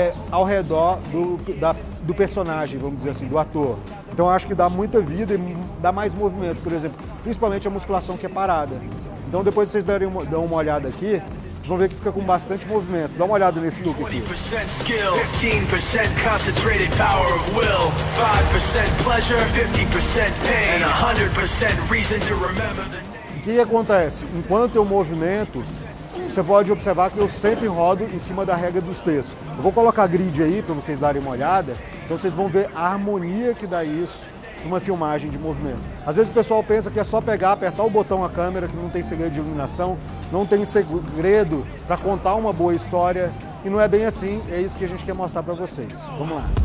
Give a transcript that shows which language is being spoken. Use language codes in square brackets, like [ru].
[pt] Ao redor do personagem, vamos dizer assim, do ator. Então eu acho que dá muita vida e dá mais movimento, por exemplo, principalmente a musculação que é parada. Então depois vocês dão uma olhada aqui, vocês vão ver que fica com bastante movimento. Dá uma olhada nesse look aqui. [en] 20% skill, 15% concentrated power of will, 5% pleasure, 50% pain, and 100% reason to remember the name. [pt] O que acontece? Enquanto eu movimento, você pode observar que eu sempre rodo em cima da regra dos textos. Eu vou colocar grid aí para vocês darem uma olhada, então vocês vão ver a harmonia que dá isso numa filmagem de movimento. Às vezes o pessoal pensa que é só pegar, apertar o botão a câmera, que não tem segredo de iluminação, não tem segredo para contar uma boa história, e não é bem assim, é isso que a gente quer mostrar para vocês. Vamos lá.